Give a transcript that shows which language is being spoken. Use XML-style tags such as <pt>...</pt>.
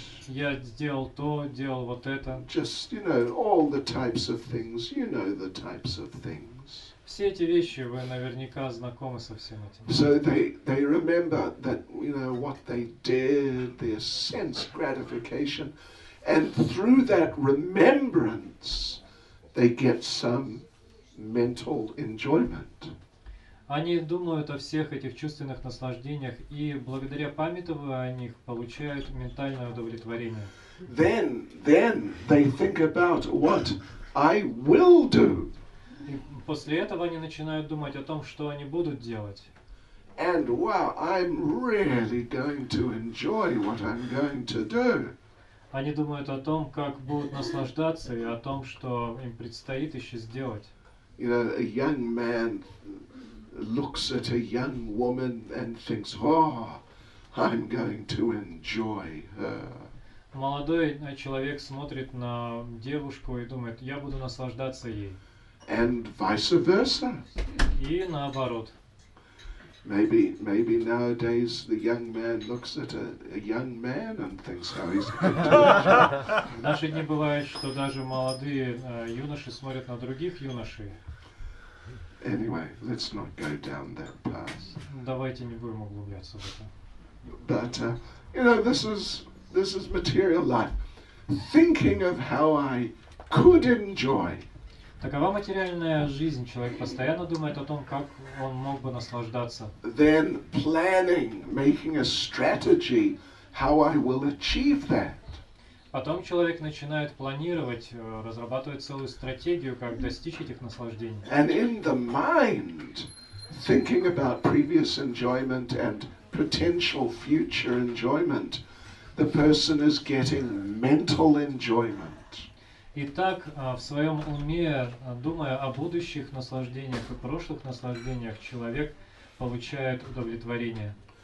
<ru>Я сделал то, делал вот это.</ru> <en>Just, you know, all the types of things, you know the types of things.</en> <ru>Все эти вещи вы наверняка знакомы со всем этим.</ru> <en>So they remember that, you know, what they did, their sense gratification, and through that remembrance they get some mental enjoyment.</en> <ru>Они думают о всех этих чувственных наслаждениях и благодаря памятованию о них получают ментальное удовлетворение.</ru> <en>Then they think about what I will do.</en> <ru>И после этого они начинают думать о том, что они будут делать.</ru> <en>And wow, I'm really going to enjoy what I'm going to do.</en> <ru>Они думают о том, как будут наслаждаться и о том, что им предстоит еще сделать.</ru> <en>You know, a young man looks at a young woman and thinks, "Oh, I'm going to enjoy her."</en> <ru>Молодой человек смотрит на девушку и думает, "Я буду наслаждаться ей."</ru> <en>And vice versa.</en> <ru>И наоборот.</ru> <en>Maybe nowadays the young man looks at a young man and thinks, "How he's going to enjoy."</en> <ru>В наши дни бывает, что даже молодые юноши смотрят на других юношей.</ru> <en>Anyway, let's not go down that path.</en> <ru>Давайте не будем углубляться в это.</ru> <en>But you know, this is material life. Thinking of how I could enjoy.</en> <ru>Такова материальная жизнь. Человек постоянно думает о том, как он мог бы наслаждаться.</ru> <en>Then planning, making a strategy, how I will achieve that.</en> <ru>Потом человек начинает планировать, разрабатывать целую стратегию, как достичь этих наслаждений.</ru> <en>And in the mind, thinking about previous enjoyment and potential future enjoyment, the person is getting mental enjoyment.</en> <ru>Итак, в своем уме, думая о будущих наслаждениях и прошлых наслаждениях, человек получает удовлетворение.</ru>